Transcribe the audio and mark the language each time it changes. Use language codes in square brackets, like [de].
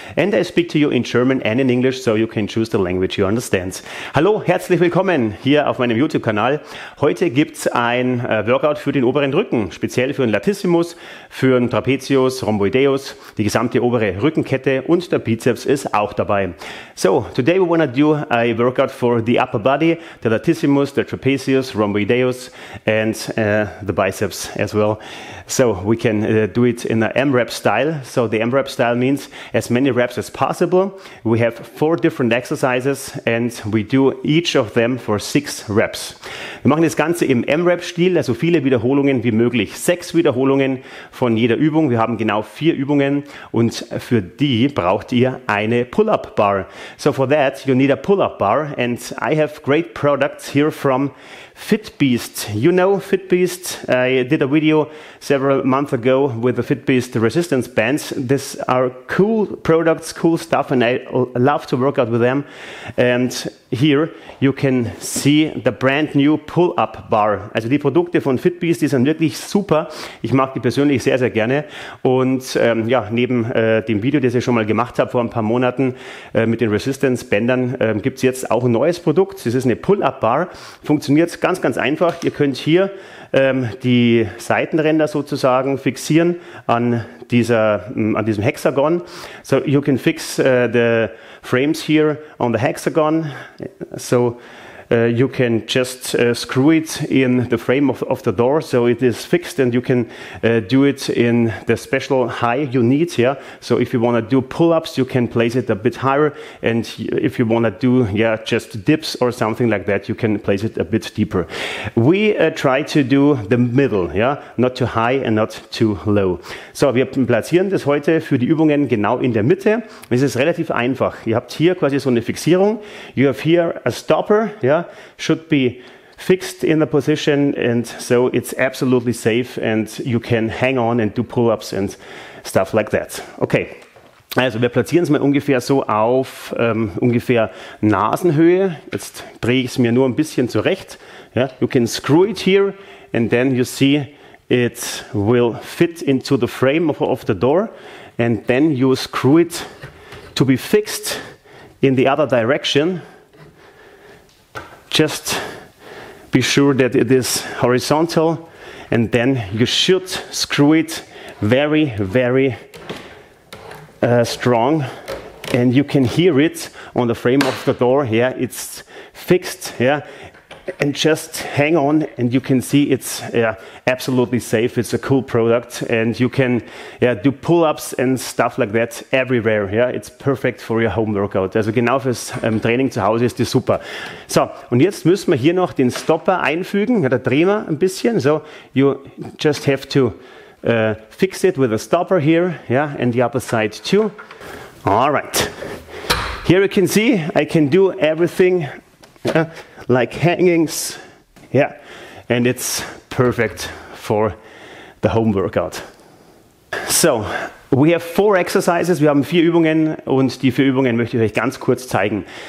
[en] And I speak to you in German and in English, so you can choose the language you understand. [de] Hallo, herzlich willkommen hier auf meinem YouTube-Kanal. Heute gibt's ein Workout für den oberen Rücken, speziell für den Latissimus, für den Trapezius, Rhomboideus, die gesamte obere Rückenkette und der Bizeps ist auch dabei. [en] So, today we wanna do a workout for the upper body, the Latissimus, the Trapezius, Rhomboideus and the Biceps as well. So we can do it in an AMRAP style. So the AMRAP style means as many reps as possible. We have four different exercises and we do each of them for 6 reps. [de] Wir machen das Ganze im AMRAP-Stil, also viele Wiederholungen wie möglich. 6 Wiederholungen von jeder Übung. Wir haben genau 4 Übungen und für die braucht ihr eine Pull-Up Bar. [en] So for that you need a Pull-Up Bar and I have great products here from Fitbeast. You know Fitbeast? I did a video several months ago with the Fitbeast resistance bands. These are cool products, cool stuff, and I love to work out with them. And here you can see the brand new pull-up bar. [de] Also die Produkte von Fitbeast, die sind wirklich super. Ich mag die persönlich sehr, sehr gerne. Und ja, neben dem Video, das ich schon mal gemacht habe vor ein paar Monaten mit den Resistance-Bändern, gibt es jetzt auch ein neues Produkt. Das ist eine Pull-up-Bar. Funktioniert ganz, ganz einfach. Ihr könnt hier die Seitenränder sozusagen fixieren an diesem Hexagon. [en] So you can fix the frames here on the hexagon. So you can just screw it in the frame of the door, so it is fixed, and you can do it in the special high you need. Yeah. So if you want to do pull-ups, you can place it a bit higher, and if you want to do just dips or something like that, you can place it a bit deeper. We try to do the middle, yeah, not too high and not too low. [de] So wir platzieren das heute für die Übungen genau in der Mitte. Es ist relativ einfach. Ihr habt hier quasi so eine Fixierung. [en] You have here a stopper. Yeah? Should be fixed in the position and so it's absolutely safe and you can hang on and do pull-ups and stuff like that. [de] Okay, also wir platzieren es mal ungefähr so auf ungefähr Nasenhöhe. Jetzt drehe ich es mir nur ein bisschen zurecht. [en] Yeah? You can screw it here and then you see it will fit into the frame of the door and then you screw it to be fixed in the other direction. Just be sure that it is horizontal and then you should screw it very, very strong and you can hear it on the frame of the door. Yeah, it's fixed. Yeah, and just hang on and you can see it's absolutely safe. It's a cool product and you can do pull-ups and stuff like that everywhere. Yeah, it's perfect for your home workout. [de] Also genau fürs Training zu Hause ist die super. So, und jetzt müssen wir hier noch den Stopper einfügen. Ja, da drehen wir ein bisschen. [en] So, you just have to fix it with a stopper here. Yeah, and the other side too. All right. Here you can see I can do everything. Like hangings, yeah, and it's perfect for the home workout. So, we have 4 exercises, [de] wir haben 4 Übungen und die 4 Übungen möchte ich euch ganz kurz zeigen.